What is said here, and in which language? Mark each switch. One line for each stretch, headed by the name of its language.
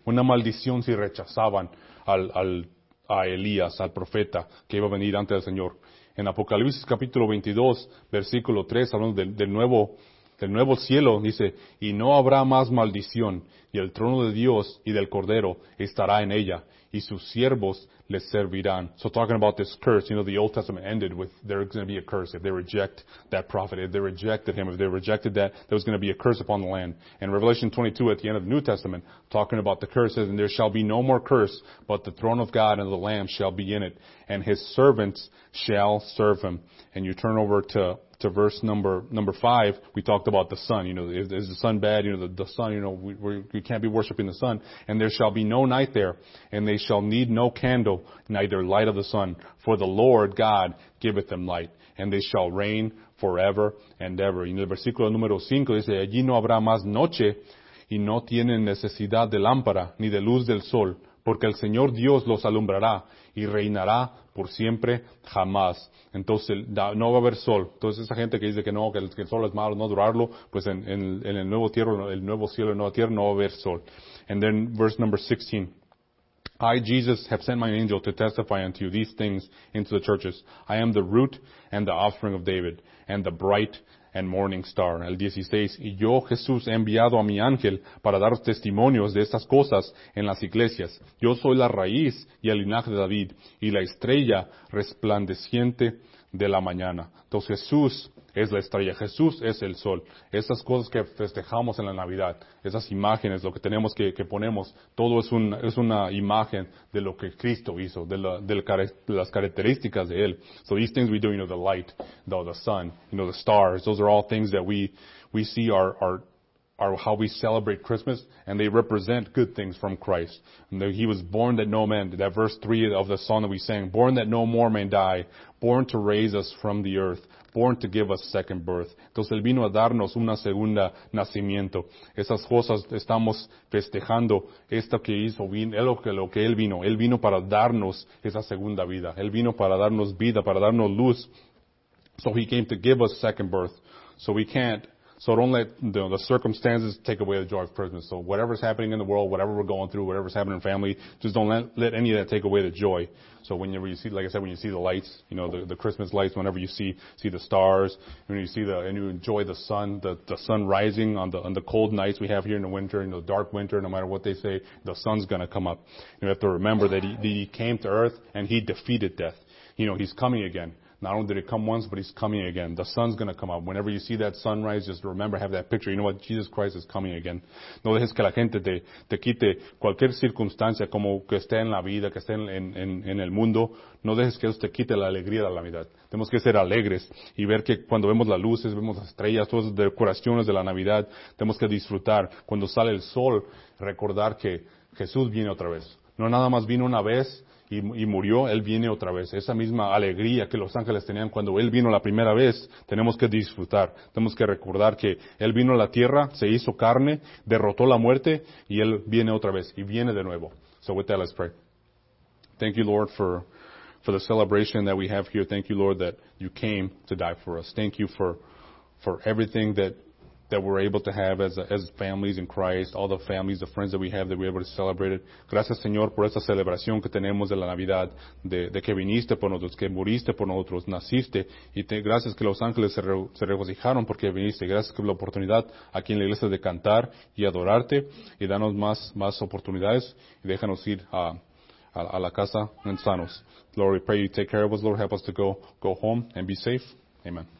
Spanish: Una maldición si rechazaban a Elías, al profeta, que iba a venir antes del Señor. En Apocalipsis capítulo 22, versículo 3, hablando del nuevo cielo, dice, y no habrá más maldición, y el trono de Dios y del Cordero estará en ella, y sus siervos les servirán.
English: So talking about this curse, you know, the Old Testament ended with there's going to be a curse if they reject that prophet, if they rejected him, if they rejected that, there was going to be a curse upon the land. And Revelation 22 at the end of the New Testament, talking about the curses, and there shall be no more curse, but the throne of God and of the Lamb shall be in it, and his servants shall serve him. And you turn over to verse number 5, we talked about the sun. You know, is the sun bad? You know, the sun, you know, we can't be worshiping the sun. And there shall be no night there, and they shall need no candle, neither light of the sun, for the Lord God giveth them light. and they shall reign forever and ever.
Spanish: Y en el versículo número 5 dice, allí no habrá más noche, y no tienen necesidad de lámpara ni de luz del sol, porque el Señor Dios los alumbrará y reinará por siempre jamás. Entonces no va a haber sol. Entonces esa gente que dice que no, que el sol es malo, no durarlo, pues en el nuevo tierra, el nuevo cielo y nueva tierra no va a haber sol.
English: And then verse number 16. I, Jesus, have sent my angel to testify unto you these things into the churches. I am the root and the offspring of David, and the bright and morning star.
Spanish: El 16. Y yo, Jesús, he enviado a mi ángel para dar testimonios de estas cosas en las iglesias. Yo soy la raíz y el linaje de David, y la estrella resplandeciente de la mañana. Entonces Jesús es la estrella, Jesús es el sol. Esas cosas que festejamos en la Navidad, esas imágenes, lo que tenemos que ponemos, todo es una imagen de lo que Cristo hizo, de las características de Él.
English: So these things we do, you know, the light, the sun, you know, the stars, those are all things that we see are how we celebrate Christmas, and they represent good things from Christ. And that He was born that no man, that verse 3 of the song that we sang, born that no more may die, born to raise us from the earth, born to give us second birth.
Spanish: Entonces, Él vino a darnos una segunda nacimiento. Esas cosas estamos festejando, esto que hizo, lo que Él vino. Él vino para darnos esa segunda vida. Él vino para darnos vida, para darnos luz.
English: So He came to give us second birth. So don't let the circumstances take away the joy of Christmas. So whatever's happening in the world, whatever we're going through, whatever's happening in family, just don't let any of that take away the joy. So whenever you see, like I said, when you see the lights, you know, the Christmas lights, whenever you see the stars, when you see and you enjoy the sun, the sun rising on the cold nights we have here in the winter, in the dark winter, no matter what they say, the sun's gonna come up. You have to remember that he came to earth and he defeated death. You know, he's coming again. Not only did it come once, but he's coming again. The sun's gonna come up. Whenever you see that sunrise, just remember, have that picture. You know what? Jesus Christ is coming again.
Spanish: No dejes que la gente te quite cualquier circunstancia como que esté en la vida, que esté en el mundo. No dejes que eso te quite la alegría de la Navidad. Tenemos que ser alegres y ver que cuando vemos las luces, vemos las estrellas, todas las decoraciones de la Navidad, tenemos que disfrutar. Cuando sale el sol, recordar que Jesús viene otra vez. No nada más vino una vez, y murió, Él viene otra vez. Esa misma alegría que los ángeles tenían cuando Él vino la primera vez, tenemos que disfrutar. Tenemos que recordar que Él vino a la tierra, se hizo carne, derrotó la muerte, y Él viene otra vez, y viene de nuevo.
English: So with that, let's pray. Thank you, Lord, for the celebration that we have here. Thank you, Lord, that you came to die for us. Thank you for everything that we're able to have as families in Christ, all the families, the friends that we have, that we're able to celebrate it.
Spanish: Gracias, Señor, por esta celebración que tenemos de la Navidad, de que viniste por nosotros, que muriste por nosotros, naciste, y gracias que los ángeles se regocijaron porque viniste. Gracias por la oportunidad aquí en la iglesia de cantar y adorarte, y danos más oportunidades, y déjanos ir a la casa en sanos.
English: Lord, we pray you take care of us, Lord. Help us to go home and be safe. Amen.